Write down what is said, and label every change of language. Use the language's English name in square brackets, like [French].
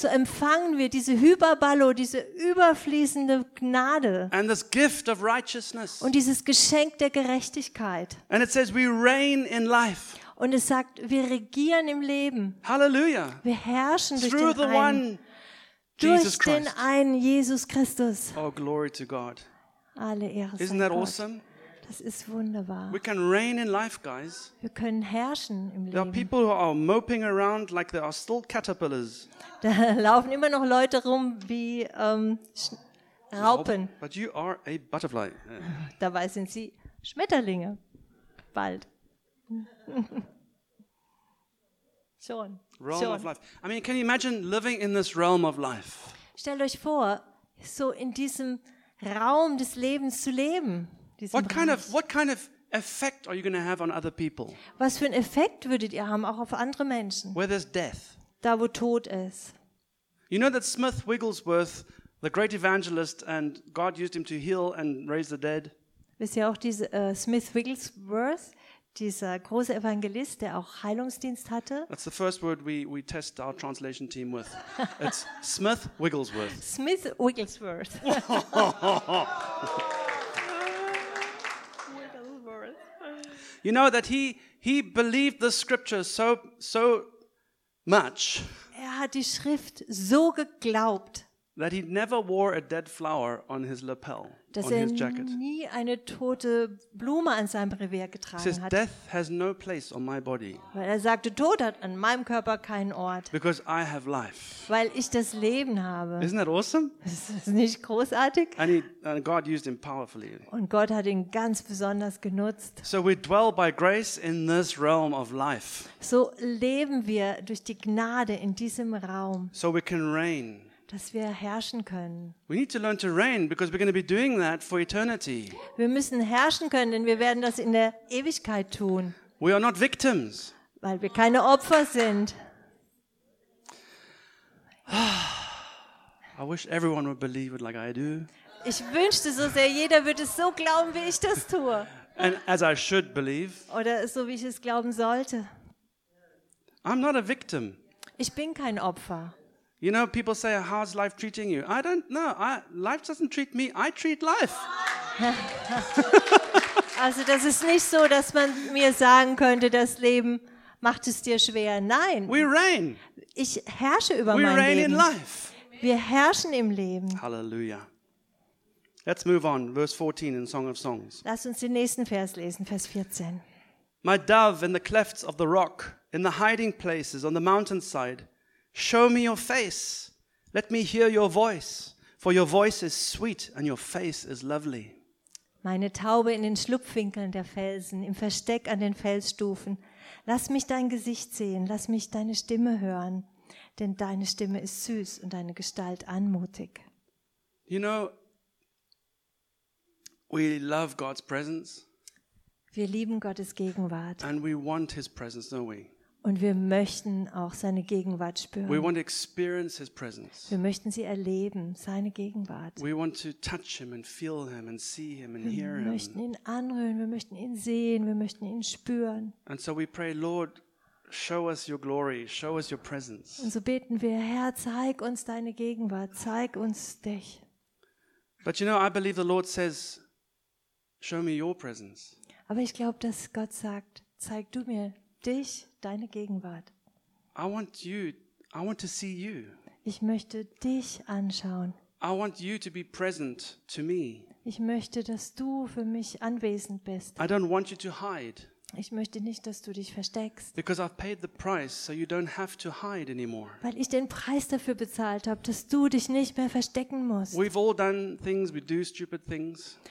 [German] So empfangen wir diese Hyperballo, diese überfließende Gnade. [English] And this gift of righteousness. [German] Und dieses Geschenk der Gerechtigkeit. [English] And it says we reign in life. [German] Und es sagt, wir regieren im Leben. Hallelujah. Wir herrschen [English] Through [German] durch den einen. [English] One [German] Durch den einen Jesus Christus. [English] Oh, glory to God. [German] Alle Ehre sei Gott. [English] Isn't that awesome? [German] Das ist wunderbar. [English] We can reign in life, guys. [German] Wir können herrschen im Leben. [English] There are people who are moping around like they are still caterpillars. [German] Da laufen immer noch Leute rum wie Raupen. [English] But you are a butterfly. [German] Dabei sind sie Schmetterlinge. Bald. Schon. [English] Realm of life. I mean, can you imagine living in this realm of life? [German] Stellt euch vor, so in diesem Raum des Lebens zu leben. [English] What kind of effect are you going to have on other people? [German] Was für einen Effekt würdet ihr haben, auch auf andere Menschen? [English] Where there's death. [German] Da, wo Tod ist. [English] You know that Smith Wigglesworth, the great evangelist, and God used him to heal and raise the dead. [German] Wisst ihr auch diese Smith Wigglesworth? Dieser große Evangelist, der auch Heilungsdienst hatte. [English] That's the first word we test our translation team with. It's Smith Wigglesworth. Smith Wigglesworth. Wigglesworth. You know that he believed the scripture so much. [German] Er hat die Schrift so geglaubt. [English] That he never wore a dead flower on his lapel. [German] Dass er nie eine tote Blume an seinem Revers getragen hat. [English] Death has no place on my body. [German] Weil er sagte, Tod hat an meinem Körper keinen Ort. [English] Because I have life. [German] Weil ich das Leben habe. [English] Isn't that awesome? [German] Ist das nicht großartig? [English] And God used him powerfully. [German] Und Gott hat ihn ganz besonders genutzt. [English] So we dwell by grace in this realm of life. [German] So leben wir durch die Gnade in diesem Raum. [English] So we can reign. [German] Dass wir herrschen können. [English] We need to learn to reign because we're going to be doing that for eternity. [German] Wir müssen herrschen können, denn wir werden das in der Ewigkeit tun. [English] We are not victims. [German] Weil wir keine Opfer sind. [English] I wish everyone would believe it like I do. [German] Ich wünschte so sehr, jeder würde es so glauben, wie ich das tue. [English] And as I should believe. [German] Oder so wie ich es glauben sollte. [English] I'm not a victim. [German] Ich bin kein Opfer. [English] You know, people say, how's life treating you? I don't know. Life doesn't treat me. I treat life. [German] Also das ist nicht so, dass man mir sagen könnte, das Leben macht es dir schwer. Nein. [English] We reign. [German] Ich herrsche über [English] We [German] mein [English] reign [German] Leben. [English] In life. [German] Wir herrschen im Leben. Halleluja. [English] Let's move on. Verse 14 in Song of Songs. [German] Lass uns den nächsten Vers lesen, Vers 14. [English] My dove in the clefts of the rock, in the hiding places on the mountainside, show me your face. Let me hear your voice, for your voice is sweet and your face is lovely. [German] Meine Taube in den Schlupfwinkeln der Felsen, im Versteck an den Felsstufen, lass mich dein Gesicht sehen, lass mich deine Stimme hören, denn deine Stimme ist süß und deine Gestalt anmutig. [English] You know, we love God's presence. [German] Wir lieben Gottes Gegenwart. [English] And we want his presence, don't we? [German] Und wir möchten auch seine Gegenwart spüren. [English] We want to experience his presence. [German] Wir möchten sie erleben, seine Gegenwart. [English] We want to touch him and feel him and see him and hear him. [German] Wir möchten ihn anrühren, wir möchten ihn sehen, wir möchten ihn spüren. [English] And so we pray, Lord, show us your glory, show us your presence. [German] Und so beten wir, Herr, zeig uns deine Gegenwart, zeig uns dich. [English] But you know, I believe the Lord says, show me your presence. [German] Aber ich glaube, dass Gott sagt, zeig du mir dich, deine Gegenwart. [English] I want to see you. [German] Ich möchte dich anschauen. [English] I want you to be present to me. [German] Ich möchte, dass du für mich anwesend bist. [English] I don't want you to hide. [German] Ich möchte nicht, dass du dich versteckst. [English] Because I've paid the price, so you don't have to hide anymore. [German] Weil ich den Preis dafür bezahlt habe, dass du dich nicht mehr verstecken musst. [English] We've all done things, we do stupid things.